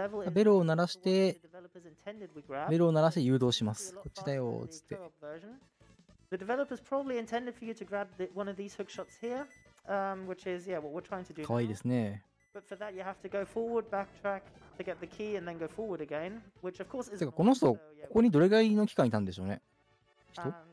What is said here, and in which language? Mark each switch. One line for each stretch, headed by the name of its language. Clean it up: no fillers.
Japanese: ベルを鳴らして、ベルを鳴らして誘導します。こっちだよっつって。
English: The developers probably intended for you to grab one of these hookshots here, which is yeah what we're trying to do.
Japanese: かわいいですね。
English: But for that you have to go forward, backtrack to get the key and then go forward again, which of course is.
Japanese: てかこの人ここにどれぐらいの期間いたんでしょうね。人？